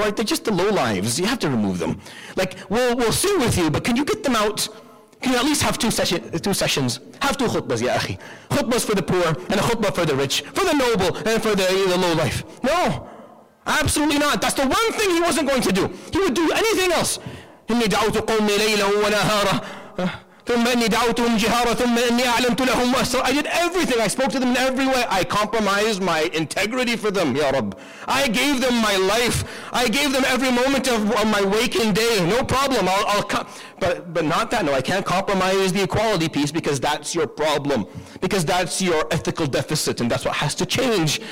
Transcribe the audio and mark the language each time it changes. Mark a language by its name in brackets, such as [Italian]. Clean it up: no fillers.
[English] Are they just the low lives? You have to remove them. Like, we'll sue with you, but can you get them out? Can you at least have two sessions? Have two khutbas, ya akhi. Khutbas for the poor and a khutbah for the rich, for the noble and for the low life. No, absolutely not. That's the one thing he wasn't going to do. He would do anything else. [Arabic] إِنِّي دَعَوْتُ قَوْمِ لَيْلًا وَنَهَارًا. ثم إني دعوتهم جهارا ثم إني أعلمت لهم وأسر. [English] I did everything. I spoke to them in every way. I compromised my integrity for them, Ya Rabb. I gave them my life. I gave them every moment of my waking day. No problem. But not that. No, I can't compromise the equality piece because that's your problem. Because that's your ethical deficit, and that's what has to change.